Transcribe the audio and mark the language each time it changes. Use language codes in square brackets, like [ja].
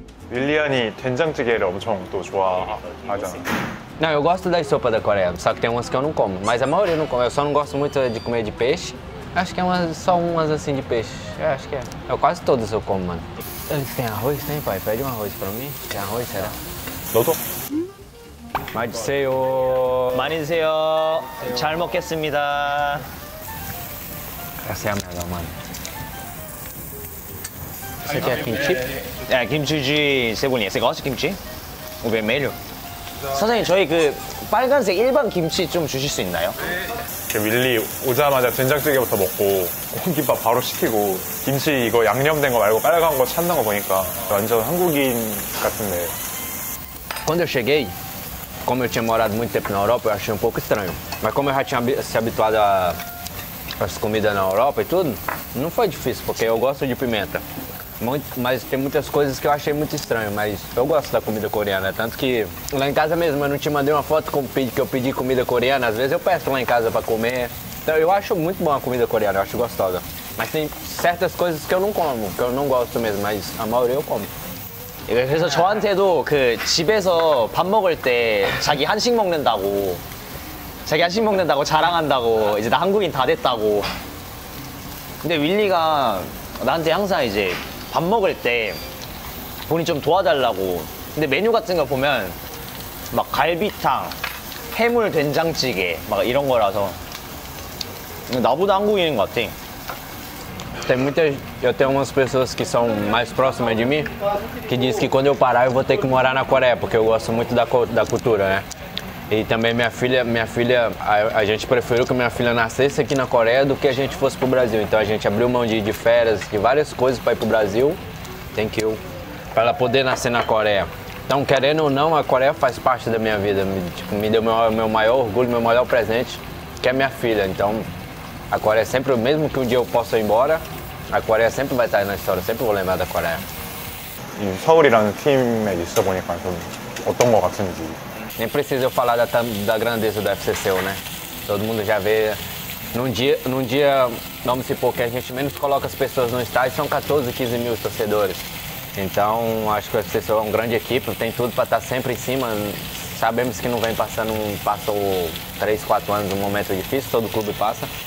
[ko] 윌리안이 된장찌개를 엄청 또 좋아하잖아. [pt] Não, eu gosto das sopas da Coreia, só que tem umas que eu não como. Mas a maioria eu não como, eu só não gosto muito de comer de peixe. Acho que é umas, só umas assim de peixe. É, acho que é. Eu quase todas eu como, mano. Antes tem arroz, tem pai? Pede um arroz pra mim. Tem arroz, será? Doutor. [ko] Maniseo. Maniseo. [pt] Tchau, irmão, que é assim, me dá. Essa é a melhor, mano. Esse aqui é kimchi? É, kimchi de cebolinha. Você gosta de kimchi? O vermelho? [ko] 선생님 저희 그 빨간색 일반 김치 좀 주실 수 있나요? 그 윌리 오자마자 된장찌개부터 먹고 공깃밥 바로 시키고 김치 이거 양념된 거 말고 빨간 거 찾는 거 보니까 완전 한국인 같은데. [pt] Quando eu cheguei, como eu tinha morado muito tempo na Europa, eu achei um pouco estranho. Mas como eu já tinha se habituado às comidas na Europa e tudo, não foi difícil porque eu gosto de pimenta. Mas tem muitas coisas que eu achei muito estranho, mas eu gosto da comida coreana. Tanto que lá em casa mesmo, eu não te mandei uma foto que eu pedi comida coreana. Às vezes eu peço lá em casa pra comer. Então eu acho muito bom a comida coreana, eu acho gostosa. Mas tem certas coisas que eu não como, que eu não gosto mesmo, mas a maioria eu como. [ko] 그래서 저한테도 그 집에서 밥 먹을 때 자기 한식 먹는다고 자랑한다고 이제 나 한국인 다 됐다고. 근데 윌리가 나한테 항상 이제 밥 먹을 때 본인 좀 도와달라고. 근데 메뉴 같은 거 보면 막 갈비탕, 해물 된장찌개 막 이런 거라서 나보다 한국인인 것 같아. [pt] Tem muita, eu tenho algumas pessoas que são mais próximas de mim que diz que quando eu parar eu vou ter que morar na Coreia porque eu gosto muito da cultura, né? E também minha filha, a gente preferiu que minha filha nascesse aqui na Coreia do que a gente fosse pro Brasil. Então a gente abriu mão de férias, de várias coisas para ir pro Brasil. [en] Thank you. [pt] Pra ela poder nascer na Coreia. Então, querendo ou não, a Coreia faz parte da minha vida. Me deu meu maior orgulho, meu maior presente, que é minha filha. Então, a Coreia sempre, mesmo que um dia eu possa ir embora, a Coreia sempre vai estar aí na história, sempre vou lembrar da Coreia. [ko] Em Seul이라는 팀에 있어 보니까 좀 어떤 것 같은지. [pt] Nem precisa eu falar da grandeza do FCCU, né? Todo mundo já vê. Num dia, vamos supor que a gente menos coloca as pessoas no estádio, são 14, 15 mil torcedores. Então, acho que o FCCU é uma grande equipe, tem tudo para estar sempre em cima. Sabemos que não vem passando, passou 3, 4 anos, um momento difícil, todo clube passa.